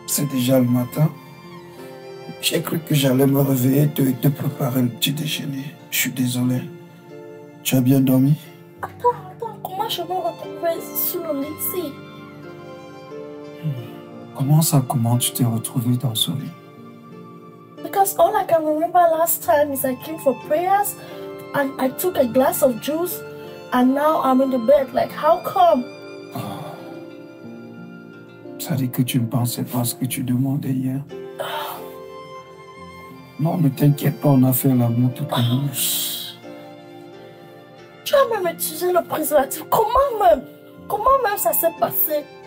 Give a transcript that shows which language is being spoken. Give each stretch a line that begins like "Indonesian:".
French: Déjà le matin, j'ai cru que j'allais me réveiller et te préparer le petit déjeuner. Je suis désolé. Tu as bien dormi? Attends, comment je me retrouvais sur le lit ici? Comment tu t'es retrouvé dans ce lit?
English: Because all I can remember last time is I came for prayers and I took a glass of juice and now I'm in the bed. Like, how come?
French: Ça dit que tu ne pensais pas à ce que tu demandais hier. Non, ne t'inquiète pas, on a fait l'amour tout à l'heure. Tu as même utilisé le préservatif. Comment même ça s'est passé?